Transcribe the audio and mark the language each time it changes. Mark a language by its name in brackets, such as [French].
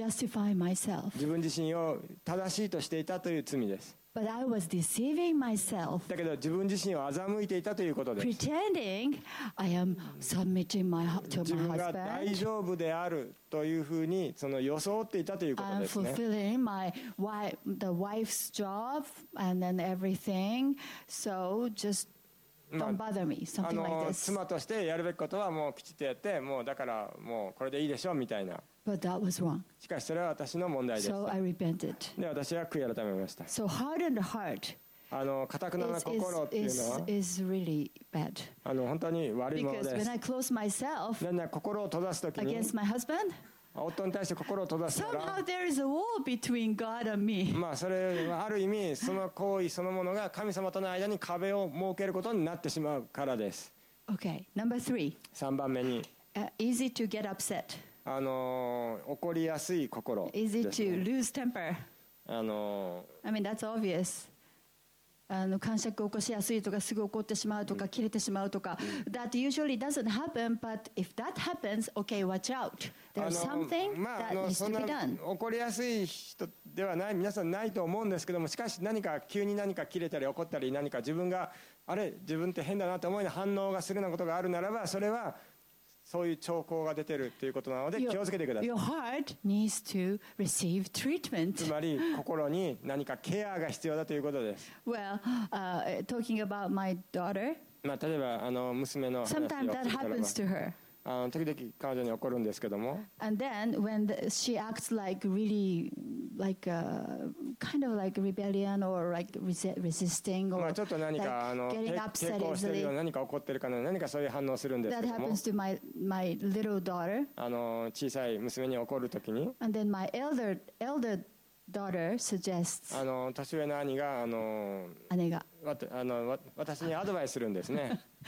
[English] Justify myself. [Japanese] 自分自身を正しいとしていたという罪です。 [English] But I was deceiving myself. [Japanese] だけど自分自身を欺いていたということです。 [English] Pretending I am submitting my heart to my husband. [Japanese] 自分が大丈夫であるというふうにその装っていたということですね。 [English] I'm fulfilling my wife's job and then everything. So just don't bother me. Something like this. [Japanese] 妻としてやるべきことはもうきちっとやって、もうだからもうこれでいいでしょうみたいな。 [English] But that was wrong. [Japanese] しかしそれは私の問題でした。 [English] So I repented. [Japanese] で、私は悔い改めました。 [English] So hardened heart. [Japanese] あの、固くなな心っていうのは、 [English] is really bad. [Japanese] あの、本当に悪いものです。 [English] Because when I close myself, [Japanese] なんか心を閉ざすときに、 [English] against my husband, [Japanese] 夫に対して心を閉ざすなら、 [English] somehow there is a wall between God and me. [Japanese] まあ、それはある意味その行為そのものが神様との間に壁を設けることになってしまうからです。 [English] Okay, number three. [Japanese] 三番目に、 [English] easy to get upset. [Japanese] あの怒りやすい心です、ね、 [English] easy to lose temper. I mean that's obvious. [Japanese] あの癇癪を起こしやすいとかすぐ怒ってしまうとか切れてしまうとか、うん、 [English] that usually doesn't happen. But if that happens, okay, watch out. There's something that needs to be done. [Japanese] まあ、そんな怒りやすい人ではない皆さんないと思うんですけども、しかし何か急に何か切れたり怒ったり何か自分があれ自分って変だなと思い反応がするようなことがあるならば、それはそういう兆候が出てるということなので気をつけてください。 [English] Your heart needs to receive treatment. [Japanese] つまり心に何かケアが必要だということです。 [English] Well, talking about my daughter. [Japanese] まあ、例えばあの娘の話を。 [English] Sometimes that happens to her. [Japanese] 時々彼女に起こるんですけども。 [English] And then when she acts like really like a kind of like rebellion or like resisting or [Japanese] ちょっと何か、 [English] like、 [Japanese] 抵抗してるような何か怒ってるかな何かそういう反応するんですけども [English] that happens to my little daughter [Japanese] 小さい娘に怒るときに [English] and then my elder daughter suggests [Japanese] 年上の兄が姉が私にアドバイスするんですね